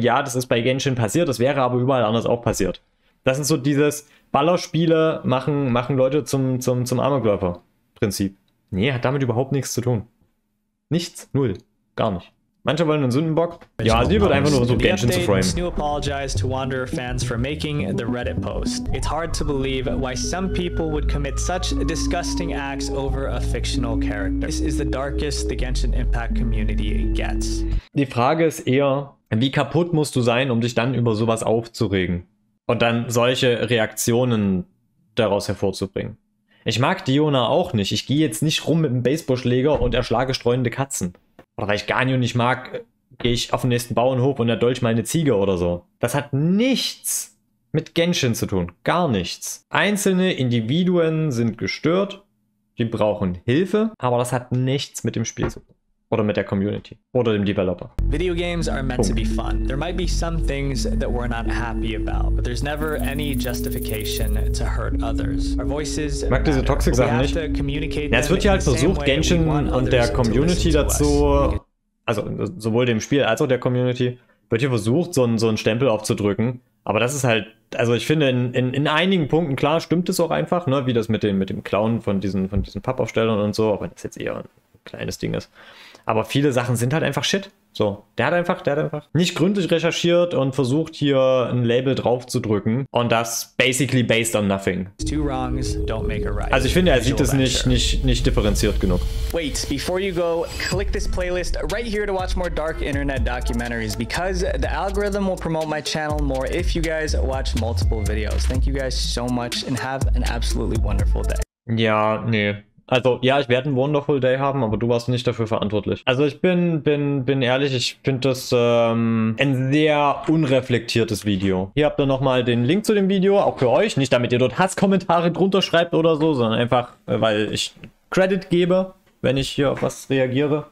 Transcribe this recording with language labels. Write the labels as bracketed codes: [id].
[de] Ja, das ist bei Genshin passiert, das wäre aber überall anders auch passiert. Das ist so dieses Ballerspiele machen Leute zum Amokläufer-Prinzip. Nee, hat damit überhaupt nichts zu tun. Nichts, null, gar nicht. Manche wollen einen Sündenbock. Ja, sie wird einfach nur so Genshin zu framen. [en] New apologize to Wanderer fans for making the Reddit post. It's hard to believe why some people would commit such disgusting acts over a fictional character. This is the darkest the Genshin Impact community gets. [de] Die Frage ist eher, wie kaputt musst du sein, um dich dann über sowas aufzuregen und dann solche Reaktionen daraus hervorzubringen? Ich mag Diona auch nicht. Ich gehe jetzt nicht rum mit einem Baseballschläger und erschlage streunende Katzen. Oder weil ich Ganyu nicht mag, gehe ich auf den nächsten Bauernhof und erdolche mal eine Ziege oder so. Das hat nichts mit Genshin zu tun. Gar nichts. Einzelne Individuen sind gestört. Die brauchen Hilfe. Aber das hat nichts mit dem Spiel zu tun. Oder mit der Community. Oder dem Developer. [en] Video games are meant to be fun. There might be some things that we're not happy about, but there's never any justification to hurt others. Our voices [de] mag diese Toxic-Sachen nicht. Ja, es wird ja halt versucht, Genshin und der Community dazu, also sowohl dem Spiel als auch der Community, wird hier versucht, so einen Stempel aufzudrücken. Aber das ist halt, also ich finde, in einigen Punkten, klar, stimmt es auch einfach, ne, wie das mit dem Clown von diesen Pappaufstellern und so, auch wenn das jetzt eher ein kleines Ding ist. Aber viele Sachen sind halt einfach Shit. So, der hat einfach nicht gründlich recherchiert und versucht hier ein Label drauf zu drücken. Und das [en] basically based on nothing. Two wrongs don't make a right. [de] Also ich finde, er sieht es nicht differenziert genug. [en] Wait, before you go, click this playlist right here to watch more dark internet documentaries, because the algorithm will promote my channel more if you guys watch multiple videos. Thank you guys so much and have an absolutely wonderful day. [de] Ja, nee. Also, ja, ich werde einen Wonderful Day haben, aber du warst nicht dafür verantwortlich. Also, ich bin ehrlich, ich finde das ein sehr unreflektiertes Video. Hier habt ihr nochmal den Link zu dem Video, auch für euch. Nicht, damit ihr dort Hasskommentare drunter schreibt oder so, sondern einfach, weil ich Credit gebe, wenn ich hier auf was reagiere.